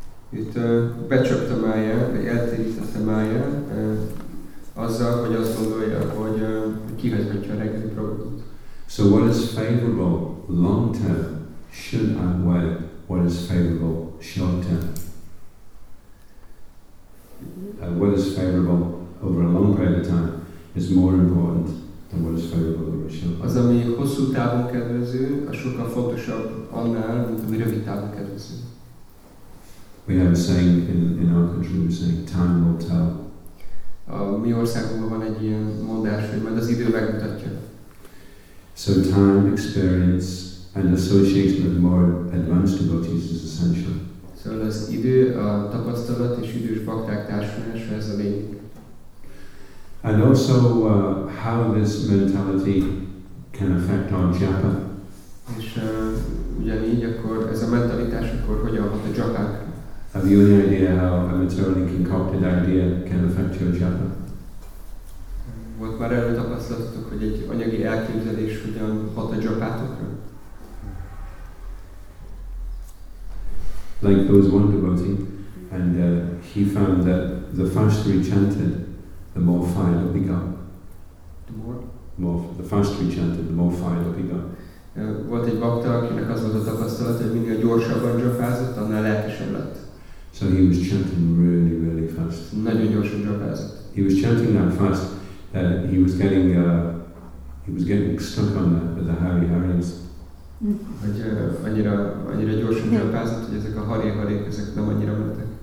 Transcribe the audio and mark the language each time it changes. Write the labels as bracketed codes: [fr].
[hu] Itt becsapta Maya, vagy eltérítette Maya azzal, hogy azt gondolja, hogy kihagyhatja a reggeli programot. [en] So what is favorable long term should outweigh what is favorable short term. What is favorable over a long period of time is more important than what is favorable over a short time. [hu] Az, ami hosszú távon kedvező, a sokkal fontosabb annál, mint ami rövid távon kedvező. [en] We have a saying in our country, we say time will tell. [hu] A mi országunkban van egy ilyen mondás, hogy majd az idő megmutatja. [en] So time, experience and association with more advanced devotees is essential. [hu] Szóval az idő, a tapasztalat és idős bakták társulása, ez a lényeg. [en] And also how this mentality can affect our japa. [hu] És ugyanígy akkor ez a mentalitás akkor hogyan hat a japák? [en] Have you any idea how a materially concocted idea can affect your japa? [hu] Volt már erről tapasztalatotok, hogy egy anyagi elképzelés hogyan hat a japátokra? [en] Like there was one devotee, and he found that the faster he chanted, the more fire that he got. The more? The faster he chanted, the more fire that he got. [hu] Volt egy bakta, akinek az volt a tapasztalat, hogy minél gyorsabban dzsapázott, annál lelkesebb lett. [en] So he was chanting really, really fast. [hu] Nagyon gyorsan dzsapázott. [en] He was chanting that fast that he was getting stuck on the Hari Haris. [hu] Hogy annyira gyorsan dzsapázott, hogy ezek a Hari Harik, ezek nem annyira mentek.